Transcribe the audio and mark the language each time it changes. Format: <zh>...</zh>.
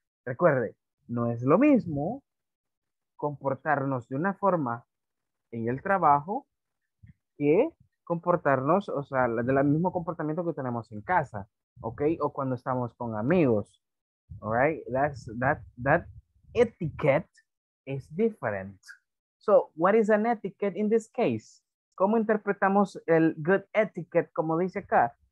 <es>Recuerde, no es lo mismo comportarnos de una forma en el trabajo que comportarnos, o sea, del mismo comportamiento que tenemos en casa, okay, o cuando estamos con amigos,</es> <en>all right? That etiquette is different. So, what is an etiquette in this case?</en> <es>¿Cómo interpretamos el good etiquette, como dice acá?</es>